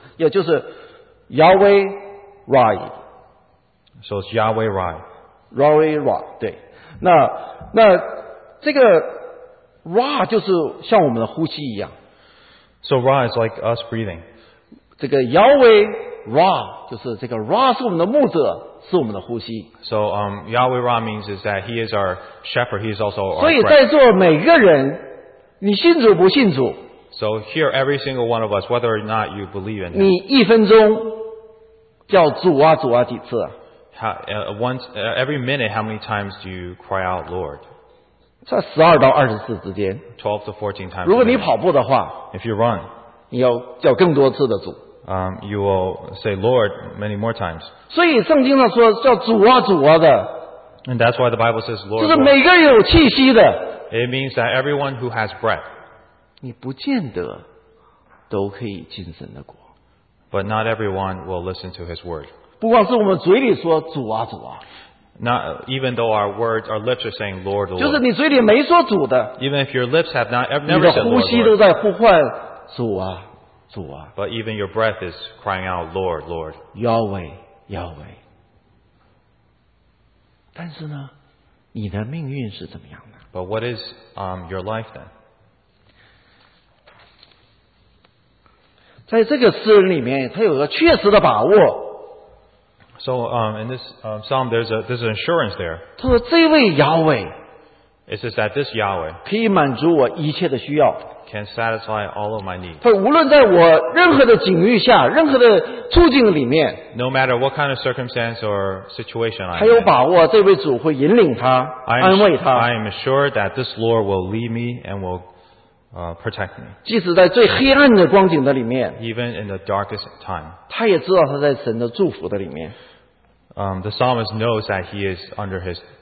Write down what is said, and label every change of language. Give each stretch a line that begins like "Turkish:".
Chinese: 也就是 Yahweh Rai.
English: So it's Yahweh Rai. Yahweh Rai.
Chinese: 对，那这个 Rai 就是像我们的呼吸一样。
English: So Rai is like us breathing.
Chinese: 这个 Yahweh Ra 就是这个 Ra 是我们的牧者，是我们的呼吸。
English: So Yahweh Ra means is that He is our shepherd. He is also our.
Chinese: 所以在座每个人，你信主不信主
English: ？So here, every single one of us, whether or not you believe in.
Chinese: 你一分钟叫主啊主啊几次
English: every minute, how many times do you cry out, Lord?
Chinese: 在12到24之间。
English: 12 to 14 times.
Chinese: 如果你跑步的话
English: ，If you run，
Chinese: 你要叫更多次的主。
English: You will say Lord many more times.
Chinese: 所以圣经上说叫主啊主啊的。
English: And that's why the Bible says Lord.
Chinese: 就是每个人有气息的。
English: It means that everyone who has breath.
Chinese: 你不见得都可以进神的国。
English: But not everyone will listen to His word.
Chinese: 不光是我们嘴里说主啊主啊。
English: Not even though our words, our lips are saying Lord, Lord.
Chinese: 就是你嘴里没说主的。
English: Even if your lips have not ever never said Lord.
Chinese: 你的呼吸都在呼唤主啊。
English: But even your breath is crying out, Lord, Lord. Yahweh, Yahweh.
Chinese: 但是呢, 你的命运是怎么样呢?
English: But what is your life then?
Chinese: 在这个诗人里面, 他有个确实的把握。
English: So in this psalm, there's an assurance there.
Chinese: 他说这位Yahweh,
English: it says that this Yahweh
Chinese: 可以满足我一切的需要。
English: Can satisfy all of my needs.
Chinese: 他无论在我任何的境遇下，任何的处境里面，
English: no matter what kind of circumstance or situation I'm in,
Chinese: 还有把握这位主会引领他，安慰他。
English: I am assured that this Lord will lead me and will protect me.
Chinese: 即使在最黑暗的光景的里面，
English: even in the darkest time,
Chinese: 他也知道他在神的祝福的里面。
English: The psalmist knows that he is under his.